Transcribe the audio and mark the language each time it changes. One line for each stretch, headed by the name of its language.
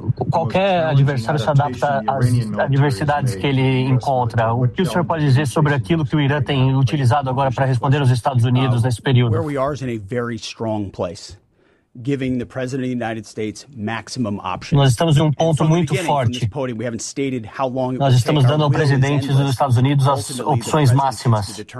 Portuguese: Qualquer adversário se adapta às adversidades que ele encontra. O que o senhor pode dizer sobre aquilo que o Irã tem utilizado agora para responder aos Estados Unidos nesse período?
English: Where we are is in a very strong place, giving the President of the United States maximum options.
Portuguese: Nós estamos em um ponto muito forte.
English: Podium, we haven't stated how long
Portuguese: nós estamos dando ao presidente dos Estados Unidos as opções máximas.